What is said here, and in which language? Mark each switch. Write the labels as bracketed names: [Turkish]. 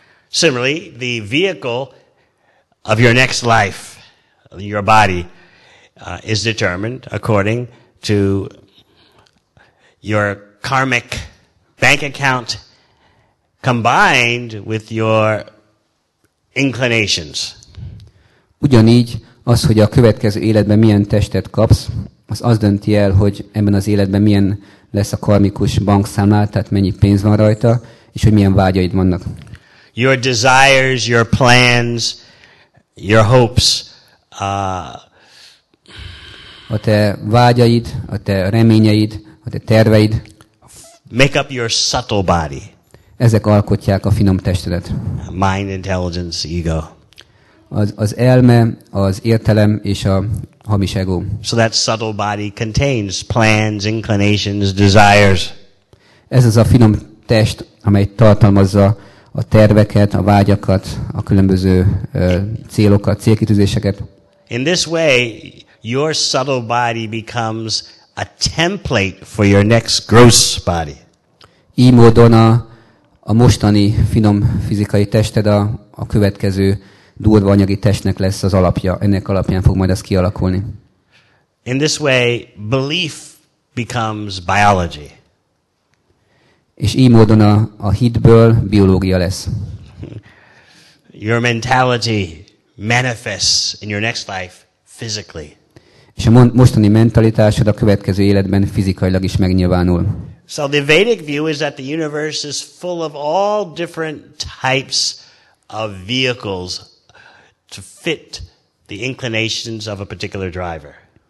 [English] Similarly, the vehicle of your next life, your body, is determined according to your karmic bank account combined with your inclinations. [Hungarian] Ugyanígy az, hogy a következő életben milyen testet kapsz, az dönti el, hogy ebben az életben milyen lesz a karmikus bankszámlád, tehát mennyi pénz van rajta, és hogy milyen vágyaid vannak. [English] Your desires, your plans, your hopes. [Hungarian] A te vágyaid, a te reményeid, a te terveid. [English] Make up your subtle body. [Hungarian] Ezek alkotják a finom testedet. [English] Mind, intelligence, ego. [Hungarian] Az elme, az értelem és a hamis ego. [English] So that subtle body contains plans, inclinations, desires. [Hungarian] Ez az a finom test, amely tartalmazza a terveket, a vágyakat, a különböző célokat, célkitűzéseket. [English] In this way, your subtle body becomes a template for your next gross body. [Hungarian] Így módon a mostani finom fizikai tested a következő durva anyagi testnek lesz az alapja, ennek alapján fog majd ez kialakulni. [English] In this way, belief becomes biology. [Hungarian] És így módon a hitből biológia lesz. [English] Your mentality manifests in your next life physically. [Hungarian] És a mostani mentalitásod a következő életben fizikailag is megnyilvánul. [English] So the Vedic view is that the universe is full of all different types of vehicles to fit the inclinations of a particular driver.